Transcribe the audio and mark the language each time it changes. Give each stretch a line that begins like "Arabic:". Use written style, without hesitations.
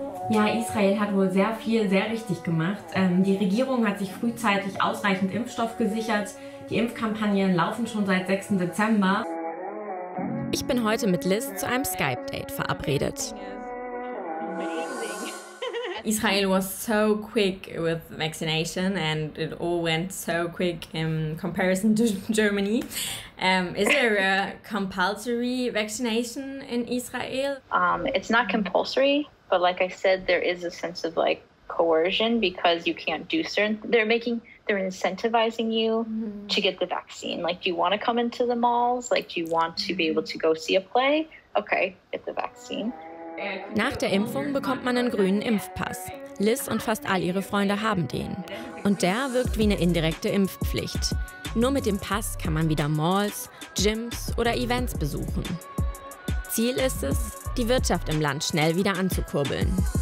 German: Ja, Israel hat wohl sehr viel sehr richtig gemacht. Die Regierung hat sich frühzeitig ausreichend Impfstoff gesichert. Die Impfkampagnen laufen schon seit 6. Dezember. Ich bin heute mit Liz zu einem Skype-Date verabredet.
English: Israel was so quick with vaccination and it all went so quick in comparison to Germany. Is there a compulsory vaccination in Israel? It's not compulsory, but like I said, there is a sense of like coercion because you can't do certain. They're incentivizing you to get the vaccine. Like, do you want to come into the malls? Like, do you want to be able to go see a play? Okay, get the vaccine.
German: Nach der Impfung bekommt man einen grünen Impfpass. Liz und fast all ihre Freunde haben den. Und der wirkt wie eine indirekte Impfpflicht. Nur mit dem Pass kann man wieder Malls, Gyms oder Events besuchen. Ziel ist es, die Wirtschaft im Land schnell wieder anzukurbeln.